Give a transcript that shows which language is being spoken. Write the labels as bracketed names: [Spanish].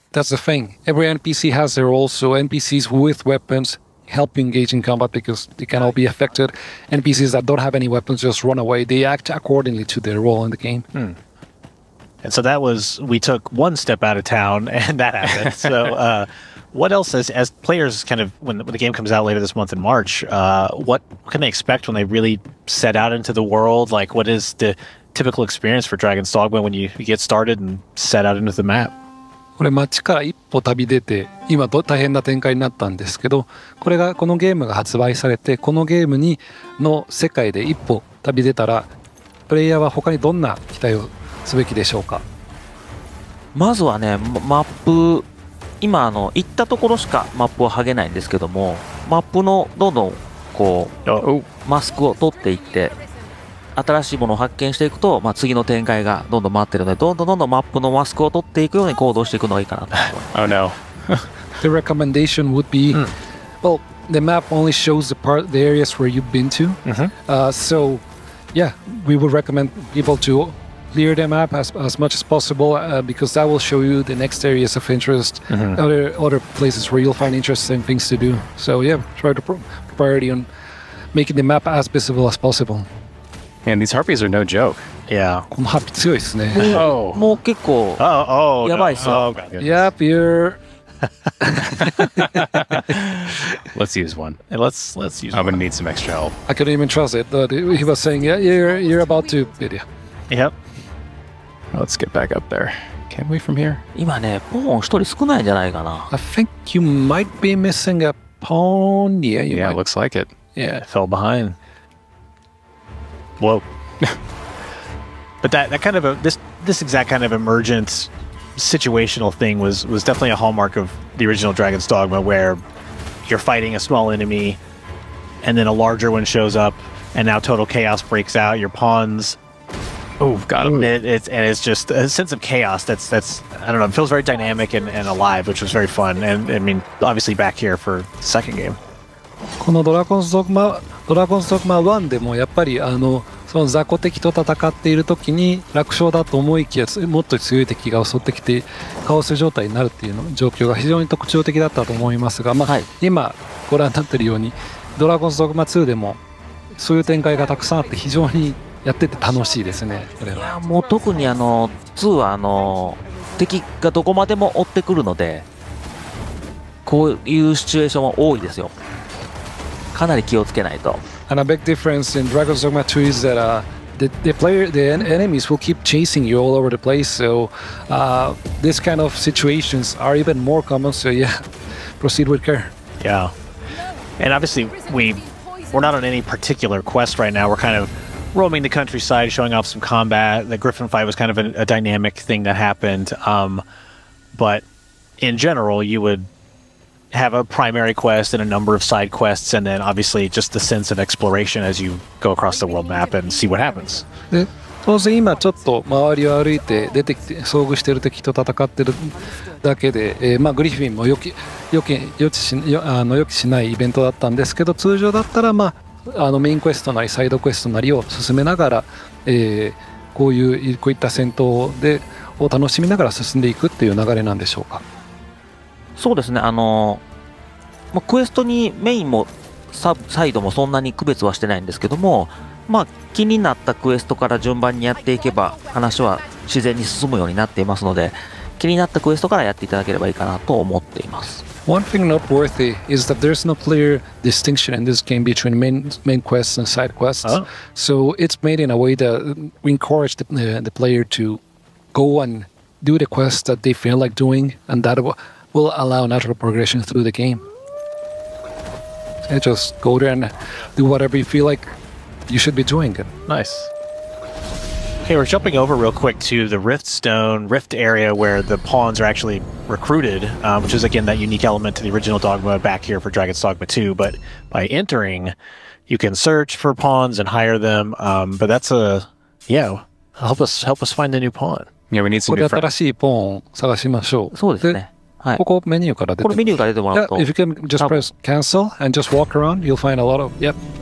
[English] That's the thing. Every NPC has their role, so NPCs with weapons,help you engage in combat because they can all be affected. NPCs that don't have any weapons just run away. They act accordingly to their role in the game. Hmm. And so that was, we took one step out of town and that happened. So what else as players kind of, when the game comes out later this month in March, what can they expect when they really set out into the world? Like what is the typical experience for Dragon's Dogma when you get started and set out into the map? [Japanese] これ街から一歩旅出て今と大変な展開になったんですけど、これがこのゲームが発売されてこのゲームにの世界で一歩旅出たらプレイヤーは他にどんな期待をすべきでしょうか。まずはね、マップ、今行ったところしかマップは剥げないんですけども、マップのどんどんこうマスクを取っていって新しいものを発見していくと、まあ、次の展開がどんどん待ってるので、どんどんどんどんマップのマスクを取っていくように行動していくのがいいかなと思います。 [English] Oh no. The recommendation would be, well, the map only shows the part, the areas where you've been to. So, yeah, we would recommend people to clear the map as much as possible, because that will show you the next areas of interest, other places where you'll find interesting things to do. So, yeah, try to priority on making the map as visible as possible. And these harpies are no joke. Yeah. [Japanese] このハピ強いですね。もう結構やばいっすよ。 [English] Oh, goodness. Yep, you're... Let's use one. Let's use one. I'm going to need some extra help. I couldn't even trust it, but he was saying, yeah, you're about to beat you. Yep. Let's get back up there. Can we from here? [Japanese] 今ね、ポーン一人少ないんじゃないかな。 [English] I think you might be missing a pawn. Yeah, you yeah, might. It looks like it. Yeah, I fell behind. Whoa. But that kind of a, this exact kind of emergent situational thing was definitely a hallmark of the original Dragon's Dogma, where you're fighting a small enemy and then a larger one shows up and now total chaos breaks out. Your pawns. Oh, got him. It's just a sense of chaos that's, I don't know, it feels very dynamic and alive, which was very fun. And I mean, obviously back here for the second game. [Japanese] このドラゴンズドグマ1でもやっぱりその雑魚敵と戦っている時に楽勝だと思いきや、もっと強い敵が襲ってきてカオス状態になるっていうの状況が非常に特徴的だったと思いますが、まあ、今ご覧になっているようにドラゴンズドグマ2でもそういう展開がたくさんあって非常にやってて楽しいですね。これはいや、もう特に2は敵がどこまでも追ってくるのでこういうシチュエーションは多いですよ。かなり気をつけないと。 [English] And a big difference in Dragon's Dogma 2 is that the player, the enemies will keep chasing you all over the place. So this kind of situations are even more common. So yeah, proceed with care. Yeah. And obviously we're not on any particular quest right now. We're kind of roaming the countryside, showing off some combat. The Griffin fight was kind of a dynamic thing that happened. But in general, you would. Have a primary quest and a number of side quests, and then obviously just the sense of exploration as you go across the world map and see what happens. [Japanese] で、当然今ちょっと周りを歩いて出てきて遭遇している敵と戦ってるだけで、まあグリフィンも予期しないイベントだったんですけど、通常だったらまあメインクエストなりサイドクエストなりを進めながら、こういった戦闘でを楽しみながら進んでいくっていう流れなんでしょうか。そうですね、まあ、クエストにメインもサイドもそんなに区別はしてないんですけども、まあ、気になったクエストから順番にやっていけば話は自然に進むようになっていますので、気になったクエストからやっていただければいいかなと思っています。 [English] One thing noteworthy is that there's no clear distinction in this game between main quests and side quests. Oh. So it's made in a way that we encourage the player to go and do the quests that they feel like doing, and that will allow natural progression through the game. So you just go there and do whatever you feel like you should be doing. Nice. Okay, we're jumping over real quick to the Rift Stone, Rift area where the pawns are actually recruited, which is, again, that unique element to the original Dogma back here for Dragon's Dogma 2. But by entering, you can search for pawns and hire them. But that's help us find a new pawn. Yeah, we need some new friends. [Japanese] これ新しいポーン探しましょう。そうですね。はい。ここメニューから出てこれメニューから出てもらうと。 [English] Yeah, if you can just press cancel and just walk around, you'll find a lot of, yep.